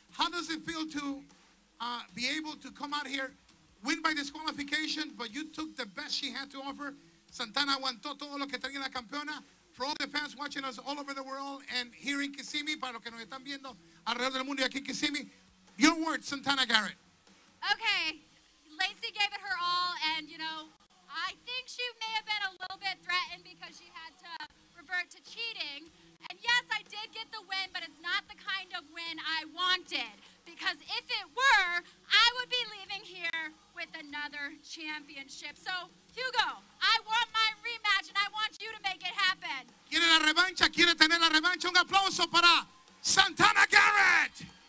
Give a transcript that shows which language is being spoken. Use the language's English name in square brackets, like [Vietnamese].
[English] How does it feel to be able to come out here, win by disqualification, but you took the best she had to offer? [Spanish] Santana aguantó todo lo que tenía la campeona. [English] For all the fans watching us all over the world and here in Kissimmee, [Spanish] para los que nos están viendo alrededor del mundo y aquí en Kissimmee, [English] your words, Santana Garrett. Okay. Lacy gave it her all, and, you know, I think she may have been a little bit threatened because she had to revert to cheating. And yes, I did get the win, but it's not the kind of win I wanted. Because if it were, I would be leaving here with another championship. So, Hugo, I want my rematch, and I want you to make it happen. [Spanish] ¿Quiere la revancha? ¿Quiere tener la revancha? Un aplauso para Santana Garrett!